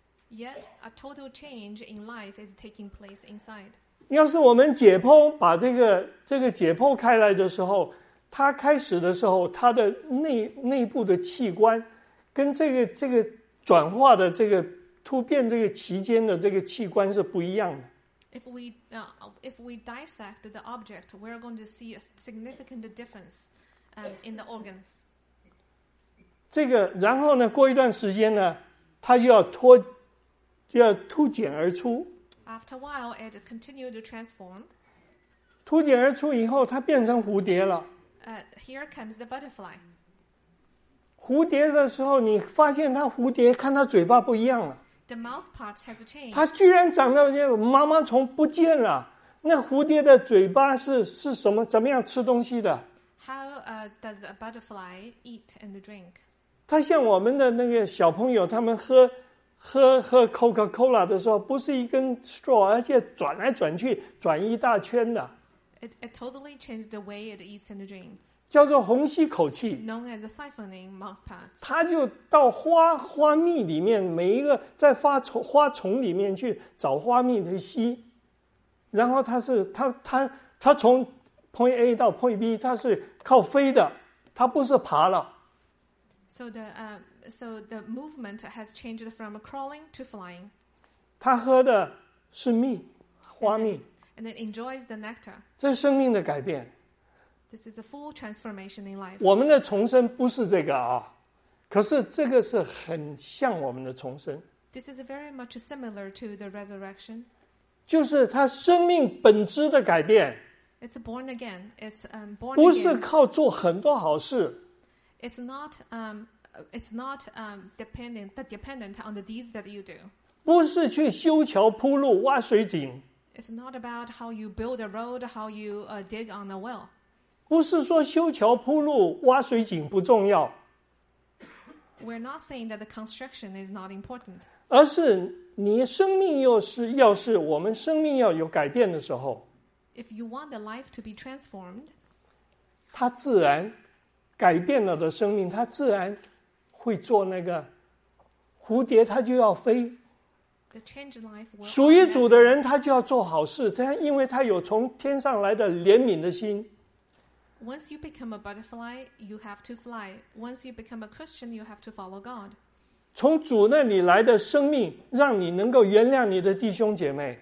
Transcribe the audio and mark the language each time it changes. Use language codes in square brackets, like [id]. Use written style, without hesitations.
[en] Yet a total change in life is taking place inside. [zh] 要是我们解剖，把这个解剖开来的时候，它开始的时候，它的内部的器官跟这个转化的这个突变这个期间的这个器官是不一样的。 [en] If we dissect the object, we're going to see a significant difference, in the organs. [zh] 这个，然后呢，过一段时间呢，它就要突减而出。 [en] After a while, it continued to transform. [zh] 突减而出以后，它变成蝴蝶了。 [en] Here comes the butterfly. [zh] 蝴蝶的时候，你发现它蝴蝶，看它嘴巴不一样了。 [en] The mouth part has changed. [zh] 它居然长到那个毛毛虫不见了。那蝴蝶的嘴巴是什么？怎么样吃东西的 [en] ？How does a butterfly eat and drink? [zh] 它像我们的那个小朋友，他们喝 Coca-Cola 的时候，不是一根 straw， 而且转来转去，转一大圈的。 [en] It totally changed the way it eats and drinks. [zh] 叫做虹吸口气 [en] ，known as a siphoning mouth part. [zh] 它就到花蜜里面，每一个在花丛里面去找花蜜去吸。然后它从 point A 到 point B， 它是靠飞的，它不是爬了。 [en] So the movement has changed from crawling to flying. [zh] 它喝的是蜜，花蜜。 [en] And it enjoys the nectar. [zh] 这生命的改变。 [en] This is a full transformation in life. [zh] 我们的重生不是这个啊，可是这个是很像我们的重生。 [en] This is very much similar to the resurrection. [zh] 就是他生命本质的改变。 [en] It's born again. It's born again. [zh] 不是靠做很多好事。 [en] It's not dependent on the deeds that you do. [zh] 不是去修桥铺路挖水井。 [en] It's not about how you build a road, how you dig on a well. [zh] 不是说修桥铺路挖水井不重要。 [en] We're not saying that the construction is not important. [zh] 而是你生命又是要是我们生命要有改变的时候。 [en] If you want the life to be transformed, [zh] 他自然改变了的生命，他自然会做那个蝴蝶，他就要飞。 [en] The changed life will. [zh] 属于主的人，他就要做好事，他因为他有从天上来的怜悯的心。 [en] Once you become a butterfly, you have to fly. Once you become a Christian, you have to follow God. [zh] 从主那里来的生命，让你能够原谅你的弟兄姐妹。